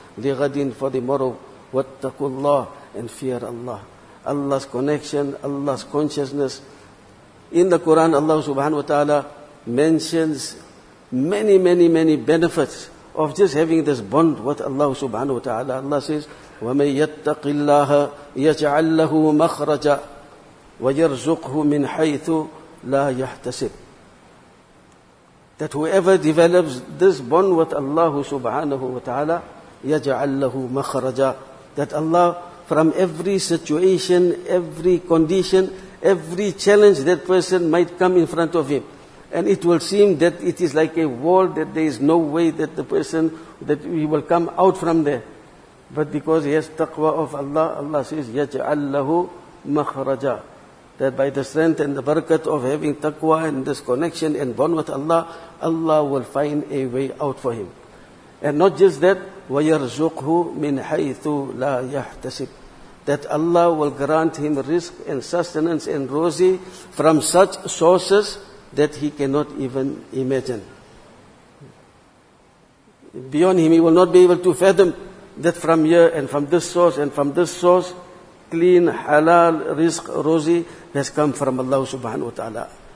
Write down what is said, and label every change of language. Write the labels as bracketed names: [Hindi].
[English] Lighadin, for the morrow. Wattaqullah, and fear Allah. Allah's connection, Allah's consciousness. In the Quran, Allah subhanahu wa ta'ala mentions many, many, many benefits of just having this bond with Allah subhanahu wa ta'ala. Allah says, [Arabic] وَمَنْ يَتَّقِ اللَّهَ يَجْعَلْ لَهُ مَخْرَجًا وَيَرْزُقْهُ مِنْ حَيْثُ لَا يَحْتَسِبْ. [English] That whoever develops this bond with Allah subhanahu wa ta'ala, [Arabic] يَجْعَلْ لَهُ مَخْرَجًا, [English] that Allah, from every situation, every condition, every challenge that person might come in front of him, and it will seem that it is like a wall, that there is no way that the person, that he will come out from there. But because he has taqwa of Allah, Allah says, [Arabic] يَجْعَلْ لَهُ مَخْرَجًا. [English] That by the strength and the barakat of having taqwa and this connection and bond with Allah, Allah will find a way out for him. And not just that, [Arabic] وَيَرْزُقْهُ مِنْ حَيْثُ لَا يَحْتَسِبْ. [English] That Allah will grant him risk and sustenance and rosy from such sources that he cannot even imagine. Beyond him, he will not be able to fathom that from here and from this source and from this source, clean, halal, rizq, rosy has come from Allah subhanahu wa ta'ala.